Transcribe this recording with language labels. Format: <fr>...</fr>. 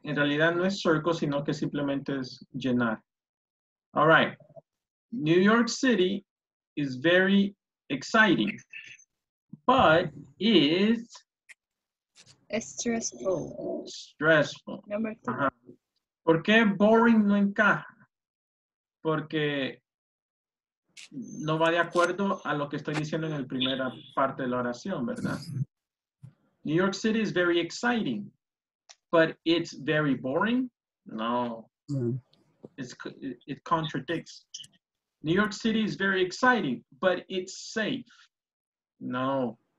<es>En realidad no es circle, sino que simplemente es llenar.</es> <en>All right. New York City is very exciting, but is stressful. Stressful. Number three. Uh-huh.</en> <es>¿Por qué boring no encaja? Porque no va de acuerdo a lo que estoy diciendo en la primera parte de la oración, ¿verdad?</es> <en>New York City is very exciting, but it's very boring? No. It contradicts. New York City is very exciting, but it's safe. No.</en>